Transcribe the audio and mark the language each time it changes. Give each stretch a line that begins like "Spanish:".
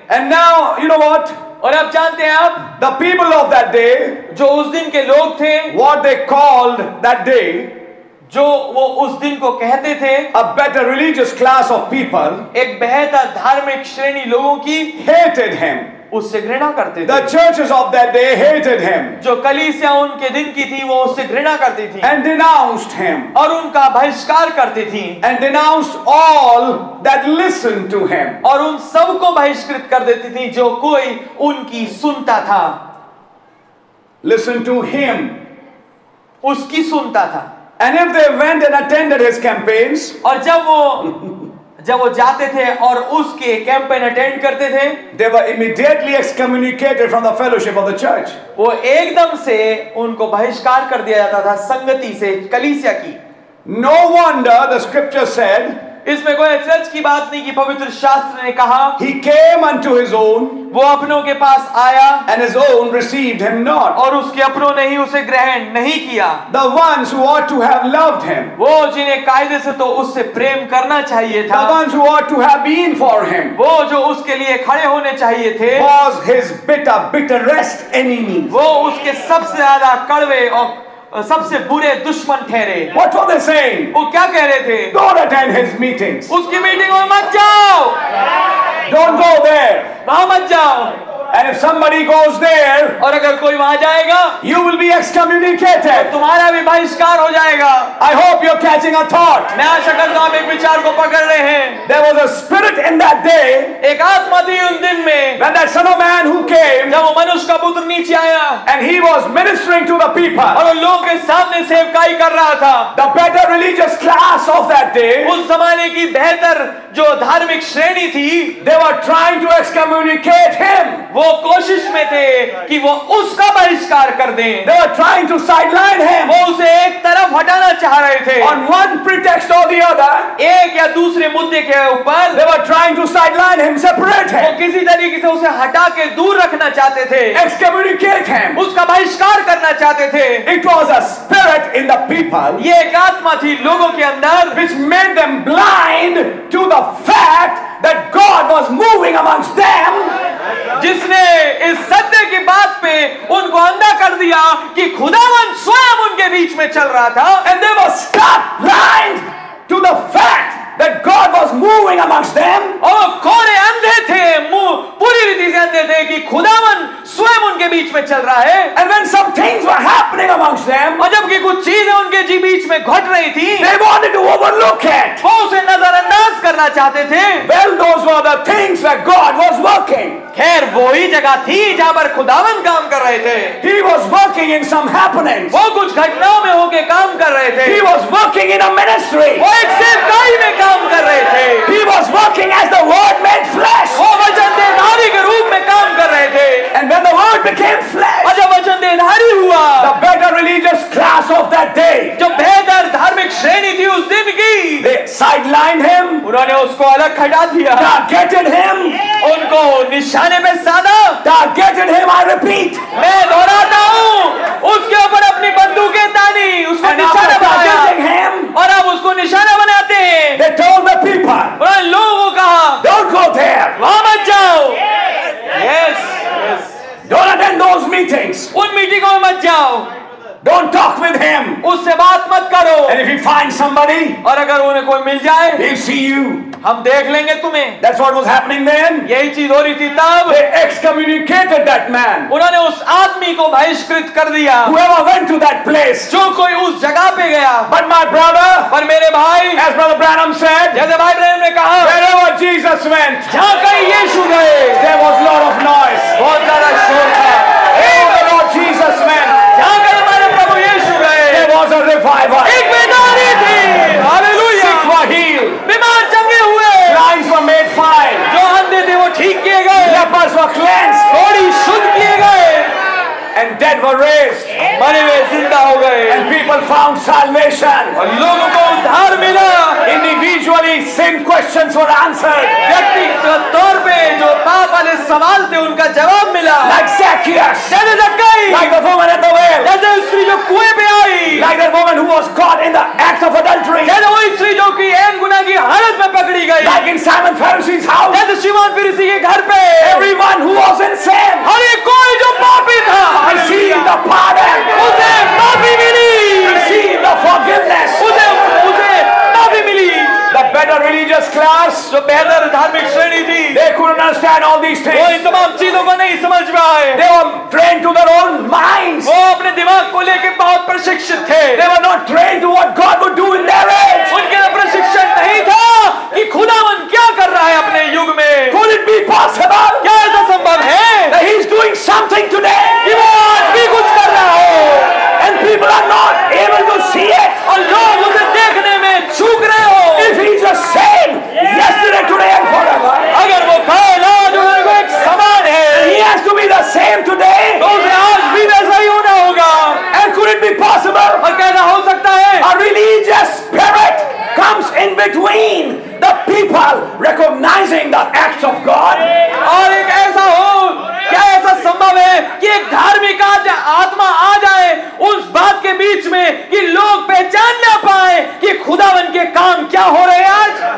English: And now you know what.
Hindi: और अब जानते हैं आप.
English: The people of that day.
Hindi: जो उस दिन के लोग थे.
English: What they called that day.
Hindi: जो वो उस दिन को कहते थे.
English: A better religious class of people.
Hindi: एक बेहतर धार्मिक श्रेणी लोगों की.
English: Hated him.
Hindi: उससे घृणा करते थे.
English: The churches of that day hated him.
Hindi: जो कलीसिया उनके दिन की थी वो उससे घृणा करती थी.
English: And denounced him.
Hindi: और उनका बहिष्कार करती थी.
English: And denounced all that listened to him.
Hindi: और उन सबको बहिष्कृत कर देती थी जो कोई उनकी सुनता था.
English: Listen to him.
Hindi: उसकी सुनता था.
English: And if they went and attended his campaigns.
Hindi: और जब वो जब वो जाते थे और उसके कैंपेन अटेंड करते थे.
English: They were immediately excommunicated from the fellowship of the church.
Hindi: वो एकदम से उनको बहिष्कार कर दिया जाता था संगति से कलीसिया की.
English: No wonder the scripture said.
Hindi: इसमें कोई अचरज की बात नहीं कि पवित्र शास्त्र ने कहा.
English: He came unto his own.
Hindi: वो अपनों के पास आया.
English: And his own received him not.
Hindi: और उसके अपनों ने ही उसे ग्रहण नहीं किया.
English: The ones who ought to have loved him.
Hindi: वो जिन्हें कायदे से तो उससे प्रेम करना चाहिए था.
English: The ones who ought to have been for him.
Hindi: वो जो उसके लिए खड़े होने चाहिए थे.
English: Was his bitter, bitterest enemies.
Hindi: वो उसके सबसे ज्यादा कड़वे और सबसे बुरे दुश्मन ठहरे.
English: What were they saying?
Hindi: वो क्या कह रहे थे?
English: Don't attend his meetings.
Hindi: उसकी मीटिंग में मत जाओ.
English: Don't go there.
Hindi: वहां मत जाओ.
English: And if somebody goes there,
Hindi: और अगर कोई वहाँ जाएगा,
English: you will be excommunicated.
Hindi: तो तुम्हारा भी बहिष्कार हो जाएगा.
English: I hope you're catching a thought.
Hindi: मैं आशा करता हूँ आप एक विचार को पकड़ रहे हैं.
English: There was a spirit in that day.
Hindi: एक आत्मा थी उन दिन में.
English: When that son of man who came,
Hindi: जब वो मनुष्य का पुत्र नीचे आया,
English: and he was ministering to the people.
Hindi: और वो लोगों के सामने सेवकाई कर रहा था.
English: The better religious class of that day.
Hindi: उस जमाने की बेहतर जो धार्मिक श्रेणी थी,
English: they were trying to excommunicate him.
Hindi: वो कोशिश में थे कि वो उसका बहिष्कार कर दें.
English: They were trying to sideline him.
Hindi: वो उसे एक तरफ हटाना चाह रहे थे.
English: On one pretext or the other,
Hindi: एक या दूसरे मुद्दे के ऊपर,
English: they were trying to sideline him, separate him.
Hindi: वो किसी तरीके से उसे हटा के दूर रखना चाहते थे.
English: Excommunicate him.
Hindi: उसका बहिष्कार करना चाहते थे.
English: It was a spirit in the people.
Hindi: ये एक आत्मा थी लोगों के अंदर,
English: which made them blind to the fact that God was moving amongst them.
Hindi: जिसने इस सत्य की बात पे उनको अंधा कर दिया कि खुदावन स्वयं उनके बीच में चल रहा था.
English: And they were stuck blind to the fact that God was moving amongst them.
Hindi: और कौन अंधे थे, पूरी रीति से अंधे थे कि खुदावन स्वयं उनके बीच में चल रहा है.
English: And when some things were happening amongst them,
Hindi: और जबकि कुछ चीजें उनके जी बीच में घट रही थी,
English: they wanted to overlook it.
Hindi: वो उसे नजरअंदाज करना चाहते थे.
English: Well, those were the things where God was working.
Hindi: खैर वो ही जगह थी जहां पर खुदावन काम कर रहे थे.
English: He was working in some happenings.
Hindi: वो कुछ घटनाओं में होके काम कर रहे थे.
English: He was working in a ministry.
Hindi: वो एक सेवकाई में काम कर रहे थे.
English: He was working as the word made flesh.
Hindi: वो वचन देहधारी के रूप में काम कर रहे थे.
English: And when the word became flesh,
Hindi: और जब वचन देहधारी हुआ,
English: the better religious class of that day,
Hindi: जो बेहतर धार्मिक श्रेणी थी उस दिन की,
English: they sidelined him.
Hindi: उन्होंने उसको अलग खड़ा दिया.
English: Targeted him.
Hindi: उनको निशाने में साधा.
English: Targeted him, I repeat.
Hindi: मैं दोहराता हूँ, उसके ऊपर अपनी बंदूकें तानी, उसको निशाना बनाया.
English: Him,
Hindi: और अब उसको निशाना बनाते हैं.
English: They told the people,
Hindi: और लोगों को कहा,
English: don't go there.
Hindi: वहां मत जाओ.
English: Yes. Yes. Don't attend those meetings.
Hindi: उन मीटिंगों में मत जाओ.
English: Don't talk with him.
Hindi: उससे बात मत करो.
English: And if he finds somebody,
Hindi: और अगर उन्हें कोई मिल जाए,
English: he'll see you.
Hindi: हम देख लेंगे तुम्हें.
English: That's what was happening then.
Hindi: यही चीज हो रही थी तब.
English: They excommunicated that man.
Hindi: उन्होंने उस आदमी को बहिष्कृत कर दिया.
English: Whoever went to that place.
Hindi: जो कोई उस जगह पे गया.
English: But my brother.
Hindi: पर मेरे भाई.
English: As brother Branham said.
Hindi: जैसे भाई ब्रैनम ने कहा.
English: Wherever Jesus went.
Hindi: जहाँ कहीं यीशु गए.
English: There was lot of noise.
Hindi: बहुत ज़्यादा शोर था.
English: Wherever Jesus went.
Hindi: जहाँ कहीं हमारे प्रभु यीशु गए.
English: There was a revival.
Hindi: एक बेदारी थी. Hallelujah.
English: Sick were healed.
Hindi: बीमार चंगे हुए.
English: Blinds were made fine.
Hindi: जो अंधे थे वो ठीक किए गए.
English: Lepers were cleansed.
Hindi: थोड़ी शुद्ध किए गए.
English: And dead were raised.
Hindi: मरे हुए जिंदा हो गए.
English: And people found salvation.
Hindi: और लोगों को उद्धार मिला.
English: Individually sin questions were answered.
Hindi: व्यक्तिगत तौर पे जो पाप वाले सवाल थे उनका जवाब मिला.
English: Like Zacchaeus.
Hindi: जैसे जक्कई.
English: Like the woman at the well.
Hindi: जैसे स्त्री जो कुएं पे आई.
English: Like that woman who was caught in the act of adultery.
Hindi: जैसे वो स्त्री जो कि ऐन गुना की हालत में पकड़ी गई.
English: Like in Simon Pharisee's house.
Hindi: जैसे शिमोन फरीसी के घर पे.
English: Everyone who was in sin.
Hindi: हर एक कोई जो पापी था.
English: I see the pardon.
Hindi: उसे माफी मिली.
English: I see the forgiveness.
Hindi: उसे माफी मिली.
English: The better religious class.
Hindi: जो बेहतर धार्मिक श्रेणी थी.
English: They couldn't understand all these things.
Hindi: वो इन तमाम चीजों को नहीं समझ पाए.
English: They were trained to their own minds.
Hindi: वो अपने दिमाग को लेके बहुत प्रशिक्षित थे.
English: They were not trained to what God would do in their age.
Hindi: उनके लिए प्रशिक्षण नहीं था कि खुदावन क्या कर रहा है अपने युग में.
English: Could it be possible?
Hindi: क्या ऐसा संभव है?
English: That he's doing something today.
Hindi: कि वो आज भी कुछ कर रहा है.
English: And people are not able to see it.
Hindi: और लोग उसे देखने में चूक रहे हो.
English: If he's the same yesterday, today and forever.
Hindi: अगर वो कल आज और कल एक समान है.
English: He has to be the same today.
Hindi: तो उसे आज भी वैसा ही होना होगा.
English: And could it be possible?
Hindi: और कैसा हो सकता है?
English: A religious spirit comes in between the people recognizing the acts of God.
Hindi: और एक ऐसा हो, क्या ऐसा संभव है कि एक धार्मिक आत्मा आ जाए उस बात के बीच में कि लोग पहचान ना पाए कि खुदावन के काम क्या हो रहे हैं आज.